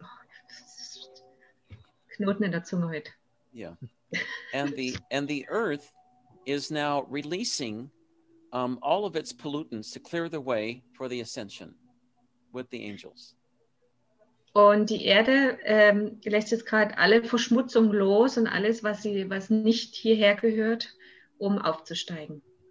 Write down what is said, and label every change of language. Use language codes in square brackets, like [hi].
[de] Oh, Knoten in der Zunge heute. Yeah. [en] And the earth is now releasing all of its pollutants to clear the way for the ascension with the angels. [de] Und die Erde lässt jetzt gerade alle Verschmutzung los und alles, was nicht hierher gehört, um aufzusteigen.